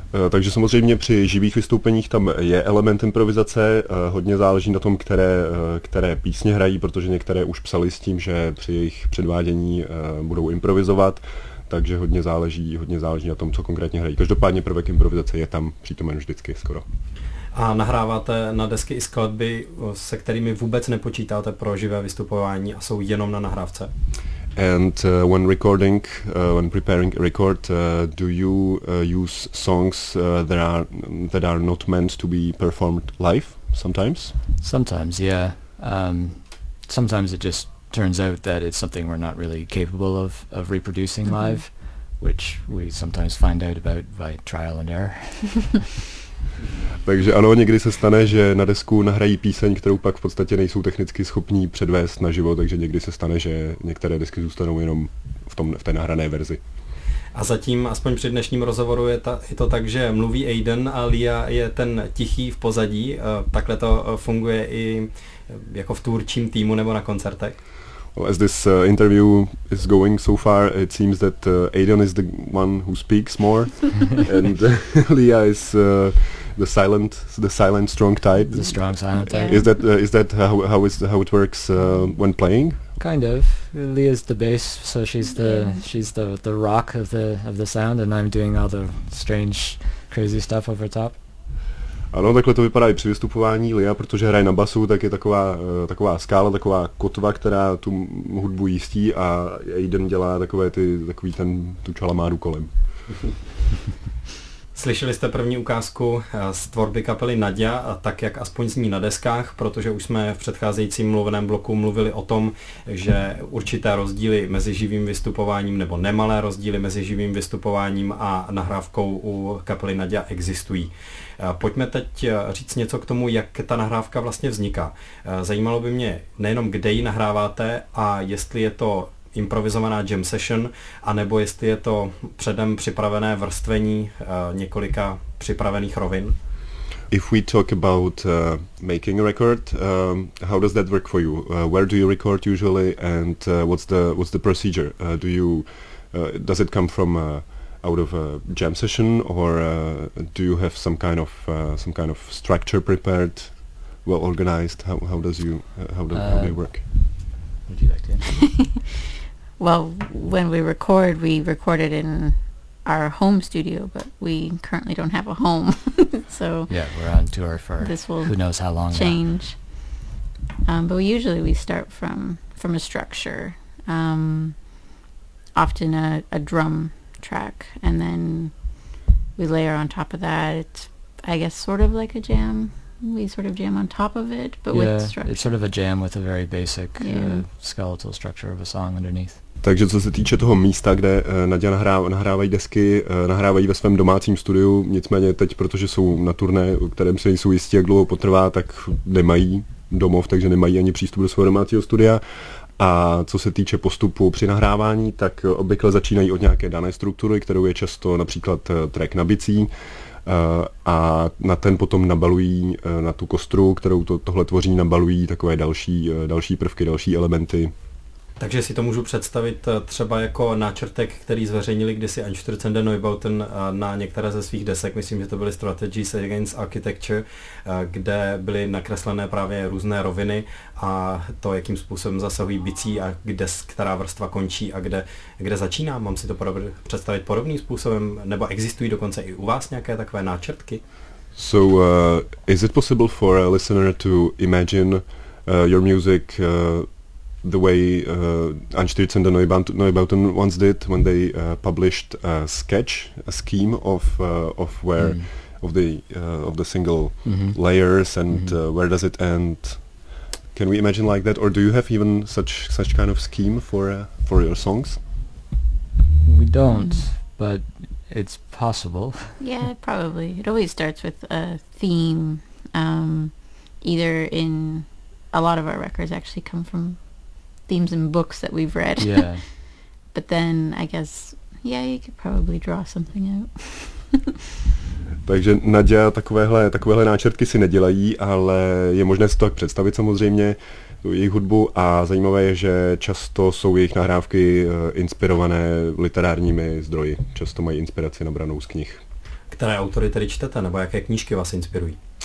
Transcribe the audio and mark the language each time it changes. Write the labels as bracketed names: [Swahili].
[Czech] Takže samozřejmě při živých vystoupeních tam je element improvizace, hodně záleží na tom, které písně hrají, protože některé už psali s tím, že při jejich předvádění budou improvizovat, takže hodně záleží na tom, co konkrétně hrají. Každopádně prvek improvizace je tam přítomen vždycky skoro. A nahráváte na desky i skladby, se kterými vůbec nepočítáte pro živé vystupování a jsou jenom na nahrávce? [English] And when recording, when preparing a record, do you use songs that are not meant to be performed live sometimes? Sometimes, yeah. Sometimes it just turns out that it's something we're not really capable of reproducing live, which we sometimes find out about by trial and error. [Czech] Takže ano, někdy se stane, že na desku nahrají píseň, kterou pak v podstatě nejsou technicky schopní předvést na živo, takže někdy se stane, že některé desky zůstanou jenom v té nahrané verzi. A zatím, aspoň při dnešním rozhovoru, je to tak, že mluví Aidan a Lia je ten tichý v pozadí. Takhle to funguje i jako v tvůrčím týmu nebo na koncertech? [English] Well, as this interview is going so far, it seems that Aidan is the one who speaks more and Lia is the silent strong type. The strong silent type. Is that how it works when playing? Kind of. Leah's the bass, so she's the rock of the sound, and I'm doing all the strange, crazy stuff over top. [Czech] Ano, takhle to vypadá i při vystupování. Lia, protože hraje na basu, tak je taková skála, taková kotva, která tu hudbu jistí a Aiden dělá takový tu čalamádu kolem. Slyšeli jste první ukázku z tvorby kapely Nadia, tak jak aspoň zní na deskách, protože už jsme v předcházejícím mluveném bloku mluvili o tom, že určité rozdíly mezi živým vystupováním nebo nemalé rozdíly mezi živým vystupováním a nahrávkou u kapely Nadia existují. Pojďme teď říct něco k tomu, jak ta nahrávka vlastně vzniká. Zajímalo by mě nejenom, kde ji nahráváte a jestli je to improvizovaná jam session, anebo jestli je to předem připravené vrstvení několika připravených rovin. [English] If we talk about making a record, how does that work for you? Where do you record usually and what's the procedure? Does it come from out of a jam session or do you have some kind of structure prepared, well organized? How do you work? Would you like to answer? Well, when we record, we record it in our home studio, but we currently don't have a home, so... Yeah, we're on tour for this will who knows how long. Change. But we usually start from a structure, often a drum track, and then we layer on top of that. It's, I guess, sort of like a jam. We sort of jam on top of it, but yeah, with structure. It's sort of a jam with a very basic skeletal structure of a song underneath. [Czech] Takže co se týče toho místa, kde Nadia nahrávají desky, nahrávají ve svém domácím studiu, nicméně teď, protože jsou na turné, o kterém se nejsou jistí, jak dlouho potrvá, tak nemají domov, takže nemají ani přístup do svého domácího studia. A co se týče postupu při nahrávání, tak obvykle začínají od nějaké dané struktury, kterou je často například track na bicí, a na ten potom nabalují, na tu kostru, kterou tohle tvoří, nabalují takové další prvky, další elementy. Takže si to můžu představit třeba jako náčrtek, který zveřejnili kdysi Anschutzende Neubauten na některé ze svých desek, myslím, že to byly Strategies Against Architecture, kde byly nakreslené právě různé roviny a to, jakým způsobem zasahují bicí a kde, která vrstva končí a kde začíná. Mám si to představit podobným způsobem, nebo existují dokonce i u vás nějaké takové náčrtky? [English] So, is it possible for a listener to imagine your music the way Anschutzende Neubauten once did when they published a scheme of the single layers and where does it end? Can we imagine like that, or do you have even such kind of scheme for your songs? We don't, but it's possible. Yeah, probably. It always starts with a theme. Either in a lot of our records actually come from themes in books that we've read. Yeah. But then I guess you could probably draw something out. [Czech] Takže Nadia takovéhle náčrtky si nedělají, ale je možné si to tak představit samozřejmě, jejich hudbu, a zajímavé je, že často jsou jejich nahrávky inspirované literárními zdroji. Často mají inspiraci nabranou z knih. Které autory tedy čtete, nebo jaké knížky vás inspirují?